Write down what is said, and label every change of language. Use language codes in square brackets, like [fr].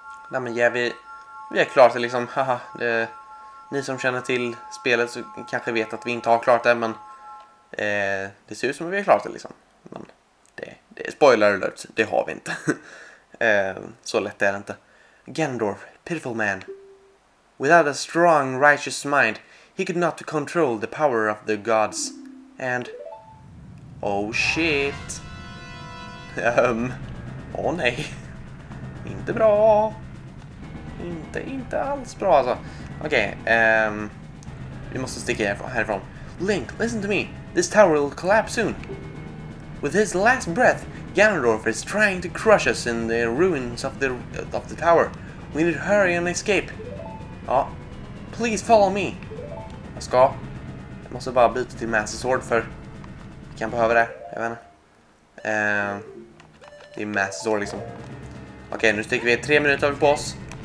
[sv] Nej men ja, vi är klara till liksom, haha, det, ni som känner till spelet så kanske vet att vi inte har klart det, men det ser ut som att vi är klara till liksom. Men det är spoiler alert, det har vi inte. Så lätt är det inte. Ganondorf, [en] pitiful man. Without a strong, righteous mind, he could not control the power of the gods. And... oh shit! [sv] Åh nej! Inte bra! Inte alls bra alltså. Okej, vi måste sticka härifrån. [en] Link, listen to me! This tower will collapse soon! With his last breath, Ganondorf is trying to crush us in the ruins of the tower. We need to hurry and escape! Ja, please follow me! [sv] Jag ska. Jag måste bara byta till Master Sword för... vi kan behöva det, jag vet inte. Det är Master Sword liksom. Okej, nu sticker vi 3 minuter över på oss.